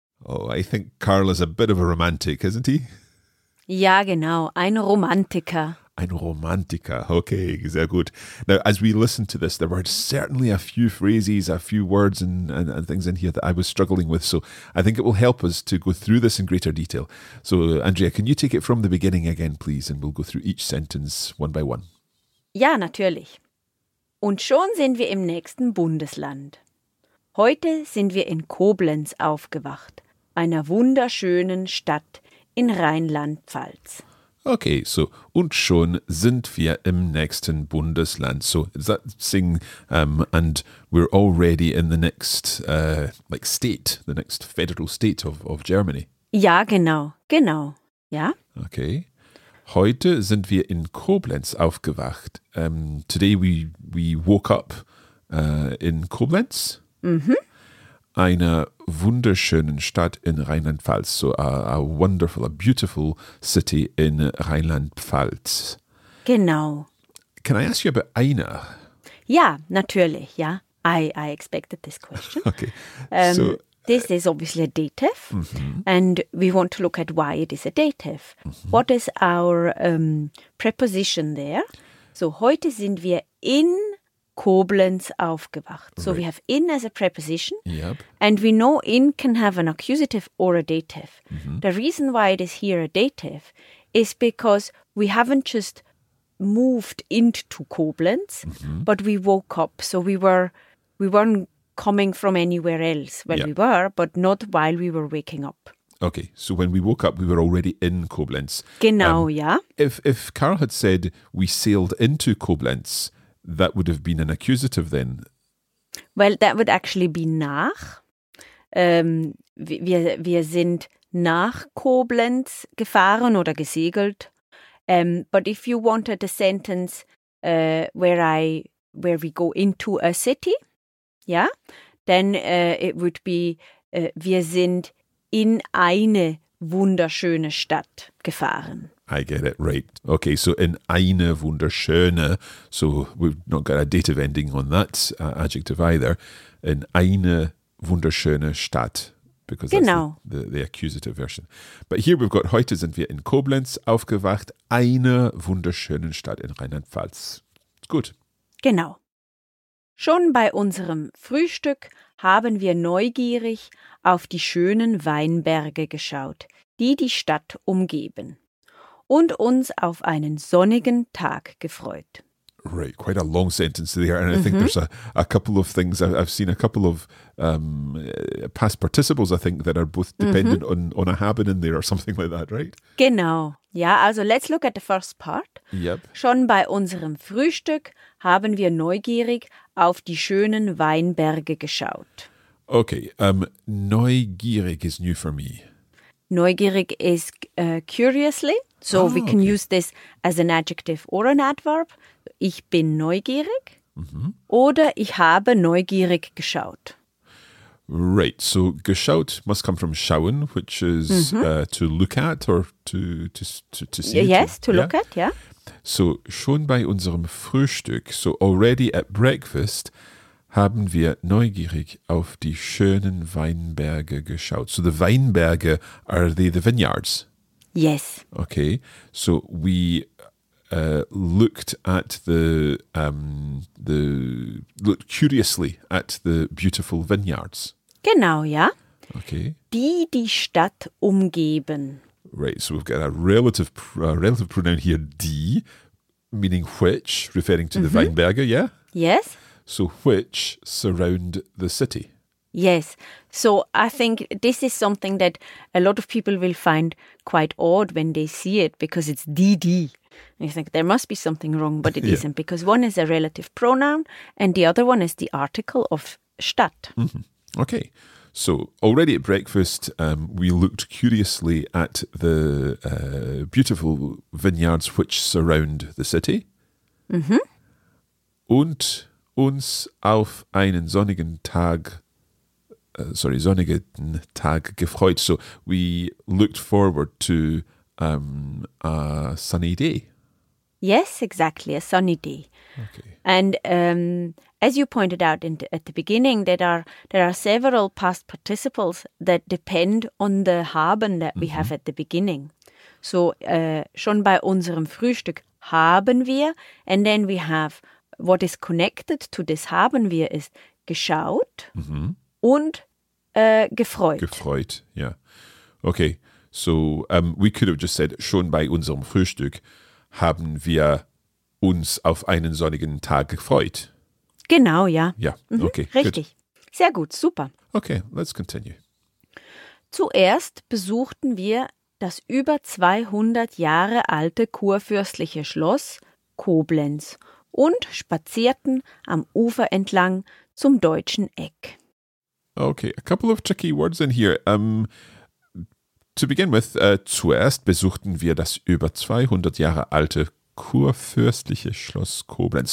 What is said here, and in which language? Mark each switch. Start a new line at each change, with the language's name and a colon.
English: Oh, I think Karl is a bit of a romantic, isn't he?
German: Ja, genau, ein Romantiker. Ein Romantiker. Okay, sehr gut.
English: Now, as we listen to this, there were certainly a few phrases, a few words and things in here that I was struggling with. So I think it will help us to go through this in greater detail. So, Andrea, can you take it from the beginning again, please? And we'll go through each sentence one by one.
German: Ja, natürlich. Und schon sind wir im nächsten Bundesland. Heute sind wir in Koblenz aufgewacht, einer wunderschönen Stadt in Rheinland-Pfalz. Okay, so, und schon sind wir im nächsten Bundesland.
English: So, is that saying, and we're already in the next, like, state, the next federal state of Germany?
German: Ja, genau, ja.
English: Okay.
German: Heute sind wir in Koblenz aufgewacht.
English: Today we woke up in Koblenz. Mhm.
German: Einer wunderschönen Stadt in Rheinland-Pfalz.
English: So a wonderful, a beautiful city in Rheinland-Pfalz.
German: Genau.
English: Can I ask you about einer?
German: Ja, natürlich, ja.
English: I expected this question. Okay. This is obviously a dative, and we want to look at why it is a dative. Mm-hmm. What is our preposition there?
German: So, heute sind wir in Koblenz aufgewacht.
English: So, right. We have in as a preposition, yep. And we know in can have an accusative or a dative. Mm-hmm. The reason why it is here a dative is because we haven't just moved into Koblenz, mm-hmm. but we woke up. So, we weren't coming from anywhere else. Well, yeah. We were, but not while we were waking up. Okay, so when we woke up, we were already in Koblenz.
German: Genau, yeah.
English: If Carl had said, we sailed into Koblenz, that would have been an accusative then. Well, that would actually be nach.
German: Wir sind nach Koblenz gefahren oder gesegelt.
English: But if you wanted a sentence where we go into a city...
German: Ja,
English: then it would be,
German: wir sind in eine wunderschöne Stadt gefahren.
English: I get it, right. Okay, so
German: in eine wunderschöne,
English: so we've not got a dative ending on that adjective either.
German: In eine wunderschöne Stadt,
English: because that's
German: genau.
English: the accusative version. But here we've got,
German: heute sind wir in Koblenz aufgewacht, eine wunderschöne Stadt in Rheinland-Pfalz. Gut. Genau. Schon bei unserem Frühstück haben wir neugierig auf die schönen Weinberge geschaut, die die Stadt umgeben, und uns auf einen sonnigen Tag gefreut.
English: Right, quite a long sentence there, and I think there's a couple of things. I've seen a couple of past participles, I think, that are both dependent on a haben in there or something like that, right? Genau, ja, also let's look at the first part. Yep.
German: Schon bei unserem Frühstück haben wir neugierig auf die schönen Weinberge geschaut.
English: Okay, neugierig is new for me. Neugierig is curiously. So we can use this as an adjective or an adverb.
German: Ich bin neugierig. Mm-hmm. Oder ich habe neugierig geschaut.
English: Right, so geschaut must come from schauen, which is to look at or to see. Yes, to look at, yeah.
German: So, schon bei unserem Frühstück,
English: so already at breakfast,
German: haben wir neugierig auf die schönen Weinberge geschaut.
English: So, the Weinberge, are they the vineyards? Yes. Okay, so we looked at looked curiously at the beautiful vineyards.
German: Genau, ja.
English: Okay.
German: Die Stadt umgeben.
English: Right, so we've got a relative pronoun here, die, meaning which, referring to the Weinberge, yeah? Yes. So which surround the city. Yes. So I think this is something that a lot of people will find quite odd when they see it, because it's die. And you think there must be something wrong, but it isn't, because one is a relative pronoun and the other one is the article of Stadt. Mm-hmm. Okay. So already at breakfast, we looked curiously at the beautiful vineyards which surround the city. Mm-hmm.
German: Und uns auf einen sonnigen Tag, sonnigen Tag gefreut.
English: So we looked forward to a sunny day. Yes, exactly, a sunny day. Okay. And as you pointed out at the beginning, there are several past participles that depend on the haben that we have at the beginning. So,
German: schon bei unserem Frühstück haben wir,
English: and then we have what is connected to this
German: haben wir
English: is
German: geschaut und gefreut. Gefreut, yeah.
English: Okay, so we could have just said,
German: schon bei unserem Frühstück haben wir uns auf einen sonnigen Tag gefreut. Genau, ja. Ja, okay. Richtig. Good. Sehr gut, super.
English: Okay, let's continue.
German: Zuerst besuchten wir das über 200 Jahre alte kurfürstliche Schloss Koblenz und spazierten am Ufer entlang zum Deutschen Eck.
English: Okay, a couple of tricky words in here. To begin with,
German: zuerst besuchten wir das über 200 Jahre alte kurfürstliche Schloss Koblenz.